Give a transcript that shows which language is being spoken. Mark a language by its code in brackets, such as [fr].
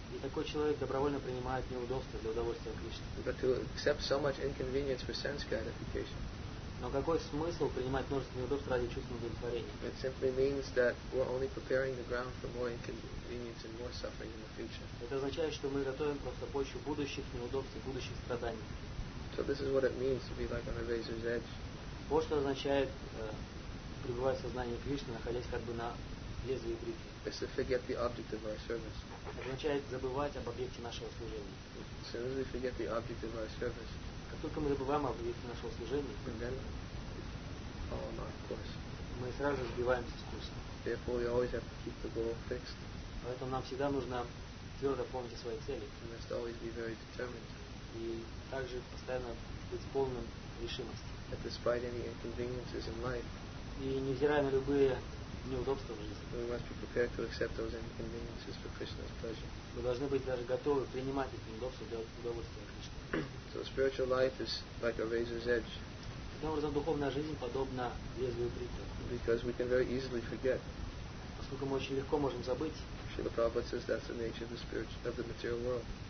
[ru] И такой человек добровольно принимает неудобства для удовольствия Кришны. [en] But to accept so much inconvenience for sense gratification. [ru] Но какой смысл принимать множество неудобств ради чувственного удовлетворения? [en] It simply means that we're only preparing the ground for more inconvenience and more suffering in the future. [ru] Это означает, что мы готовим просто почву будущих неудобств и будущих страданий. [en] So this is what it means to be like on a razor's edge. [ru] Вот что означает пребывать в сознании Кришны, находясь как бы на лезвии бритвы. [en] It's to forget the object of our service. [ru] Означает забывать об объекте нашего служения. [en] As soon as we forget the object of our service. [ru] Как только мы забываем об объекте нашего служения, [en] and then, oh, no, of course. [ru] Мы сразу же сбиваемся с курса. [en] Therefore, we always have to keep the goal fixed. [ru] Поэтому нам всегда нужно твердо помнить о своей цели. [en] We must always be very determined. [ru] И также постоянно быть полным решимости. [en] That despite any inconveniences in life. [ru] И невзирая на любые неудобства в жизни. [en] We must be prepared to accept those inconveniences for Krishna's pleasure. [ru] Мы должны быть даже готовы принимать эти неудобства для удовольствия Кришны. [en] So spiritual life is like a razor's edge. [ru] Таким образом, духовная жизнь подобна лезвию бритвы. [en] Because we can very easily forget. [ru] Поскольку мы очень легко можем забыть. [en] Srila Prabhupada says that's the nature of the spiritual, of the material world.